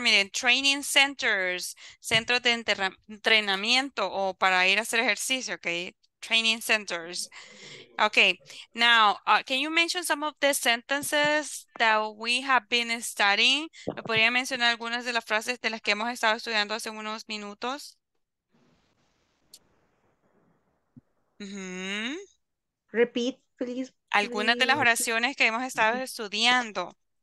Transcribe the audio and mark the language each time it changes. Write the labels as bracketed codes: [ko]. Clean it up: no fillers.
[es] Miren, training centers, centros de entrenamiento o para ir a hacer ejercicio, okay? [en] Training centers. Okay. Now, can you mention some of the sentences that we have been studying? [es] ¿Me podría mencionar algunas de las frases de las que hemos estado estudiando hace unos minutos? [en] Repeat, please. [es] Algunas de las oraciones que hemos estado estudiando.